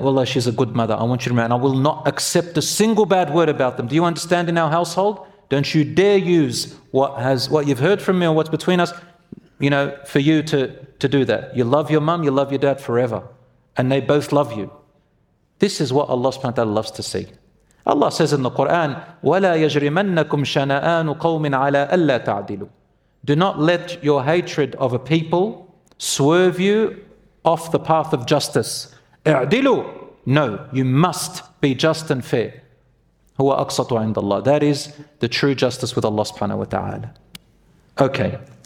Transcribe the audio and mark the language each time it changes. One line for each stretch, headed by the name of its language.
English: Wallahi, she's a good mother. I want you to remember, and I will not accept a single bad word about them. Do you understand in our household? Don't you dare use what you've heard from me or what's between us. you know, for you to do that. You love your mum, you love your dad forever, and they both love you. This is what Allah subhanahu wa ta'ala loves to see.
Arabic: Allah says in the Quran, وَلَا يَجْرِمَنَّكُمْ شَنَآنُ قَوْمٍ عَلَىٰ أَلَّا تَعْدِلُوا.
English: Do not let your hatred of a people swerve you off the path of justice.
Arabic: اَعْدِلُوا.
English: No, you must be just and fair.
Arabic: هُوَ أَقْصَطُ عِنْدَ اللَّهِ.
English: That is the true justice with Allah subhanahu wa ta'ala. Okay.